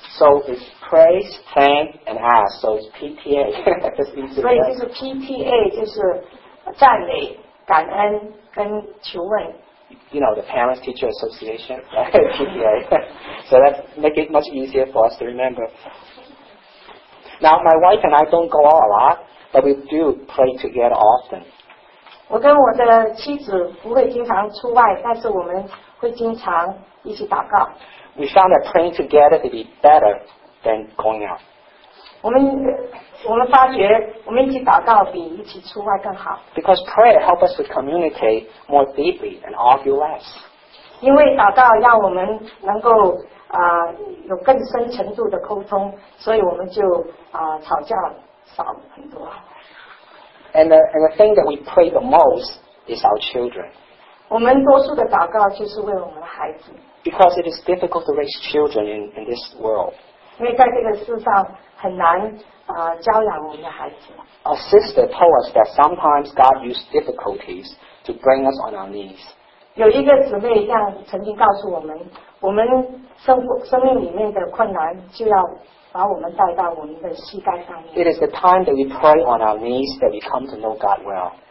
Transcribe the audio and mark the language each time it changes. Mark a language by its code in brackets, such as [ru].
[en] So it's praise, thank, and ask. So it's PTA. [zh] 所以就是 PTA, 就是赞美、感恩跟求问。 [en] You know, the Parents Teacher Association, PTA. So that make it much easier for us to remember. Now, my wife and I don't go out a lot, but we do pray together often. [zh] 我跟我的妻子不会经常出外，但是我们会经常一起祷告。 [en] We found that praying together to be better than going out. [zh] 我们发觉我们一起祷告比一起出外更好。 [en] Because prayer helps us to communicate more deeply and argue less. [zh] 因为祷告让我们能够有更深程度的沟通，所以我们就吵架少很多。 [en] And the thing that we pray the most is our children. [zh] 我们多数的祷告就是为我们的孩子。 [en] Because it is difficult to raise children in this world. [zh] 因为在这个世上很难教养我们的孩子。 [en] A sister told us that sometimes God used difficulties to bring us on our knees. [zh] 有一个姊妹这样曾经告诉我们，我们 生命里面的困难就要把我们带到我们的膝盖上面。 [en] It is the time that we pray on our knees that we come to know God well.